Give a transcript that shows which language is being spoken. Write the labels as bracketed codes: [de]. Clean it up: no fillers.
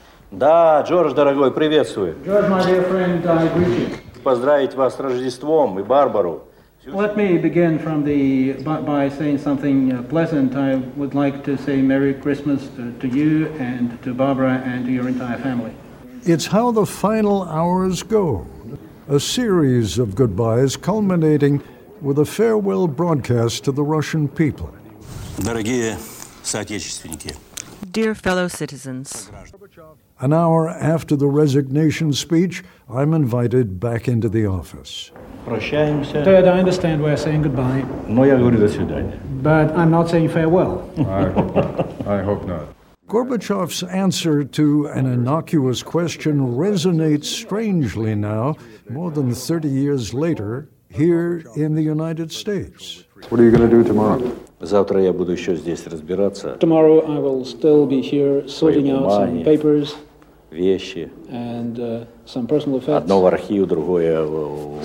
[ru] Да, Джордж, дорогой, приветствую. [en] George, my dear friend, I greet you. [ru] Поздравить вас с Рождеством и Барбару. [en] Let me begin from the by saying something pleasant. I would like to say Merry Christmas to you and to Barbara and to your entire family. It's how the final hours go. A series of goodbyes culminating with a farewell broadcast to the Russian people. [ru] Дорогие соотечественники. [en] Dear fellow citizens. An hour after the resignation speech, I'm invited back into the office. Ted, I understand we're saying goodbye. [ru] Но я говорю до свидания. [en] But I'm not saying farewell. I hope not. Gorbachev's answer to an innocuous question resonates strangely now, more than 30 years later, here in the United States. What are you going to do tomorrow? [ru] Завтра я буду еще здесь разбираться. [en] Tomorrow I will still be here sorting out some papers. [ru] Вещи. [en] And some personal effects. [ru] Одно в архив, другое в муку.